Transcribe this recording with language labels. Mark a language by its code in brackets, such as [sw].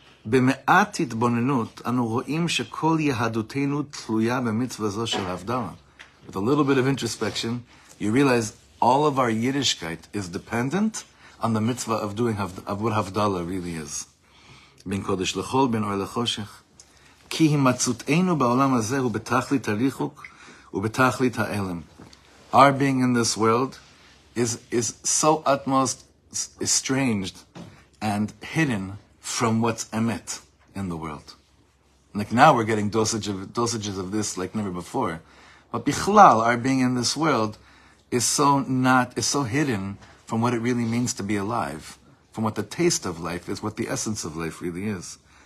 [he] במעט התבוננות אנו רואים שכל יהדותנו תלויה במצווה זו של הבדלה. [en] With a little bit of introspection, you realize all of our Yiddishkeit is dependent on the mitzvah of doing of what Havdalah really is. [he] בין קודש לחול, בין אור לחושך. כי המצותנו בעולם הזה הוא בתכלית הליחוק ובתכלית האלם. [en] Our being in this world is so utmost estranged and hidden from what's emet in the world. Like now we're getting dosages of this like never before. But bichlal, our being in this world, is so hidden from what it really means to be alive, from what the taste of life is, what the essence of life really is.